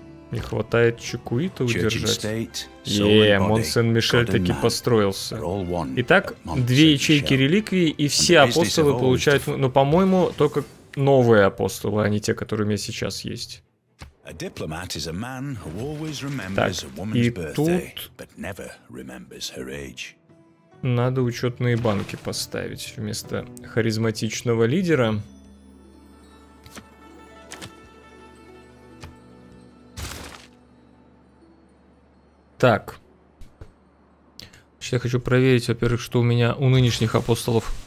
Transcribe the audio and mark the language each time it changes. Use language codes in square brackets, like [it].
[ru] Не хватает чекуита удержать. Мон-Сен-Мишель таки построился. Итак, две ячейки реликвии, и все апостолы получают... Ну, по-моему, только новые апостолы, а не те, которые у меня сейчас есть. [en] A diplomat is a man who always remembers a woman's birthday, but never remembers her age. [ru] Надо учетные банки поставить вместо харизматичного лидера. Так. Сейчас я хочу проверить, во-первых, что у меня у нынешних апостолов.